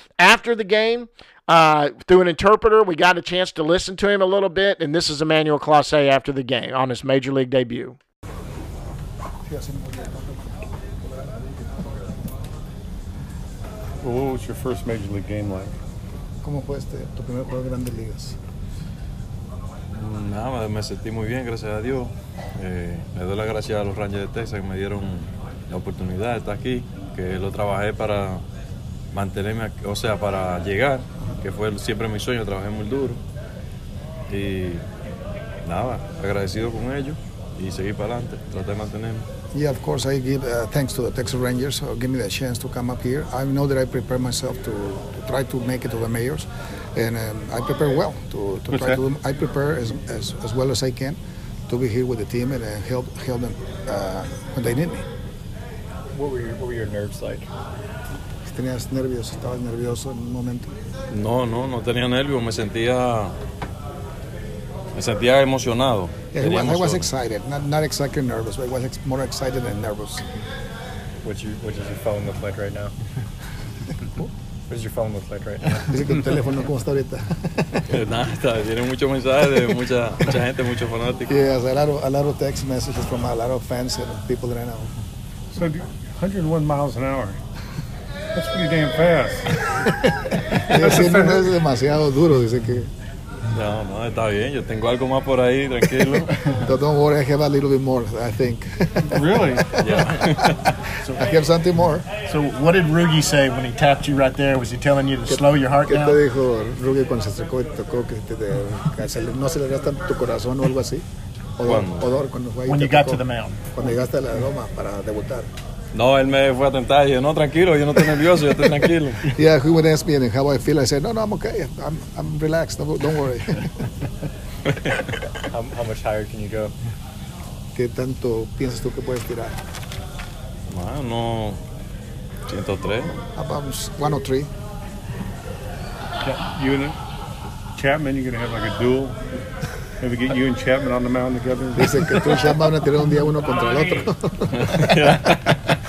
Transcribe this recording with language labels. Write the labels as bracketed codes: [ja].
[en] After the game, through an interpreter, we got a chance to listen to him a little bit. And this is Emmanuel Classe after the game on his major league debut. Yes. Well, what was your first major league game like? [es] ¿Cómo fue este, tu primer juego de grandes ligas? Nada, me sentí muy bien, gracias a Dios. Le doy la gracia a los Rangers de Texas que me dieron la oportunidad de estar aquí, que lo trabajé para mantenerme, o sea, para llegar, que fue siempre mi sueño, trabajé muy duro. Y nada, agradecido con ellos y seguir para adelante, traté de mantenerme. [en] Yeah, of course, I give thanks to the Texas Rangers for giving me the chance to come up here. I know that I prepared myself to try to make it to the majors. And I prepare well to try to. I prepare as well as I can to be here with the team and help them when they need me. What were your nerves like? [es] Tenías nervios. Estabas nervioso en un momento. No tenía nervios. Me sentía emocionado. [en] I was excited. Not exactly nervous, but I was more excited than nervous. What does your phone look like right now? What does your phone look like right now? [es] Dice que tu teléfono, ¿cómo está ahorita? Nada, tiene muchos mensajes de mucha gente, muchos fanáticos. [en] Yes, a lot of text messages from a lot of fans and people that I know. So 101 miles an hour. That's pretty damn fast. [es] Sí, no es demasiado duro, dice que... No, está bien, yo tengo algo más por ahí, tranquilo. [en] Don't worry, I have a little bit more, I think. Really? Yeah. So, I have something more. So what did Rugi say when he tapped you right there? Was he telling you to slow your heart down? [es] ¿Qué te dijo Rugi cuando se acercó y tocó que no se le gasta tu corazón o algo así? ¿Cuándo? [en] When you got to the mound. [es] Cuando llegaste a la Roma para debutar. No, él me fue a tentar y dije, no, tranquilo, yo no estoy nervioso, yo estoy tranquilo. [en] Yeah, he would ask me and how I feel. I said, no, I'm okay, I'm relaxed, don't worry. how much higher can you go? [es] ¿Qué tanto piensas tú que puedes tirar? Bueno, 103. [en] About 103. You and Chapman, you're going to have like a duel? Maybe get you and Chapman on the mound together? [es] Dice que tú y Chapman van a tirar un día uno contra el otro.